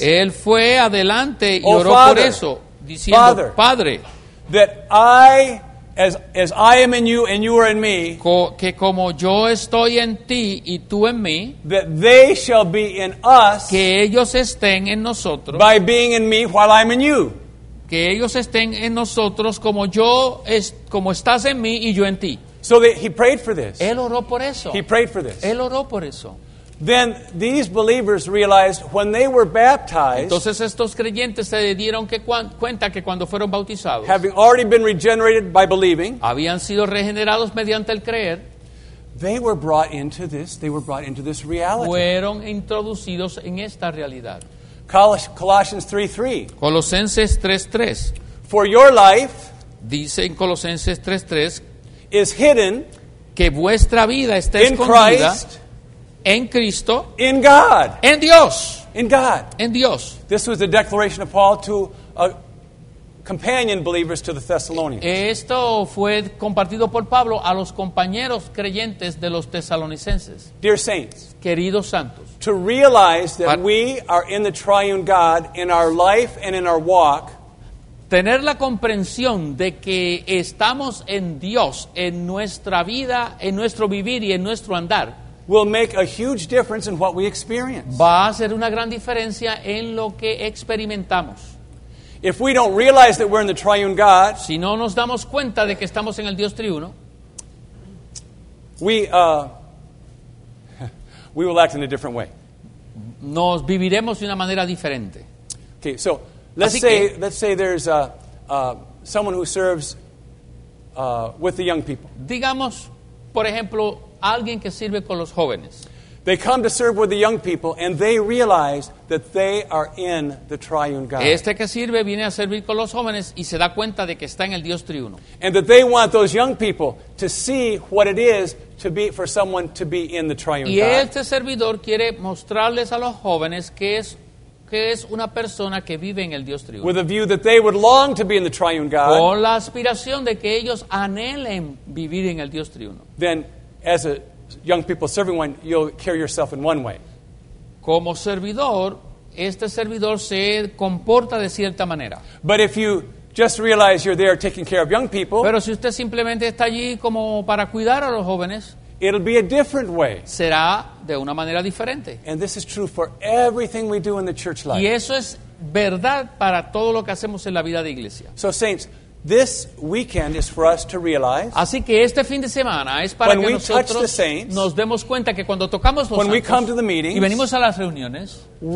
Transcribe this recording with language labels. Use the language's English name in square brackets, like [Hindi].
[Spanish] Él fue adelante y oró por eso, diciendo, [English] Father, [Spanish] Padre, [English] that I, as I am in you and you are in me, [Spanish] que como yo estoy en ti y tú en mí, [English] that they shall be in us, [Spanish] que ellos estén en nosotros, [English] by being in me while I'm in you, [Spanish] que ellos estén en nosotros como yo como estás en mí y yo en ti. [English] So that he prayed for this. [Spanish] Él oró por eso. [English] He prayed for this. [Spanish] Él oró por eso. [English] Then these believers realized when they were baptized. [Spanish] Entonces estos creyentes se dieron cuenta que cuando fueron bautizados. [English] Having already been regenerated by believing. [Spanish] Habían sido regenerados mediante el creer. [English] They were brought into this. They were brought into this reality. [Spanish] Fueron introducidos en esta realidad. [English] Colossians 3:3. [Spanish] Colosenses 3:3. [English] For your life. [Spanish] Dice en Colosenses 3:3. [English] Is hidden, [Spanish] que vuestra vida está [English] in [Spanish] escondida [English] Christ, [Spanish] en Cristo, [English] in God, [Spanish] en Dios, [English] in God, [Spanish] en Dios. [English] This was the declaration of Paul to a companion believers to the Thessalonians. [Spanish] Esto fue compartido por Pablo a los compañeros creyentes de los tesalonicenses. [English] Dear saints, [Spanish] queridos santos, [English] to realize that we are in the triune God in our life and in our walk. [Spanish] Tener la comprensión de que estamos en Dios, en nuestra vida, en nuestro vivir y en nuestro andar, [English] will make a huge difference in what we experience. [Spanish] Va a hacer una gran diferencia en lo que experimentamos. [English] If we don't realize that we're in the triune God, [Spanish] si no nos damos cuenta de que estamos en el Dios triuno, [English] we will act in a different way. [Spanish] Nos viviremos de una manera diferente. [English] Okay, so Let's say there's someone who serves with the young people. [Spanish] Digamos, por ejemplo, alguien que sirve con los jóvenes. [English] They come to serve with the young people and they realize that they are in the triune God. [Spanish] Este que sirve viene a servir con los jóvenes y se da cuenta de que está en el Dios triuno. [English] And that they want those young people to see what it is to be for someone to be in the triune [Spanish] y Y este servidor quiere mostrarles a los jóvenes que es una persona que vive en el Dios triuno. [English] With a view that they would long to be in the triune God. [Spanish] Con la aspiración de que ellos anhelen vivir en el Dios triuno. [English] Then, as a young people serving one, you'll carry yourself in one way. [Spanish] Como servidor, este servidor se comporta de cierta manera. [English] But if you just realize you're there taking care of young people. [Spanish] Pero si usted simplemente está allí como para cuidar a los jóvenes. [English] It'll be a different way. [Spanish] Será de una manera diferente. [English] And this is true for everything we do in the church life. [Spanish] Y eso es verdad para todo lo que hacemos en la vida de iglesia. [English] So saints, this weekend is for us to realize. [Spanish] Así que este fin de semana es para [English] when [Spanish] que [English] we [Spanish] nosotros [English] touch the saints, [Spanish] nos demos cuenta que cuando tocamos los [English] when [Spanish] santos [English] we come to the meetings, [Spanish] y venimos a las reuniones,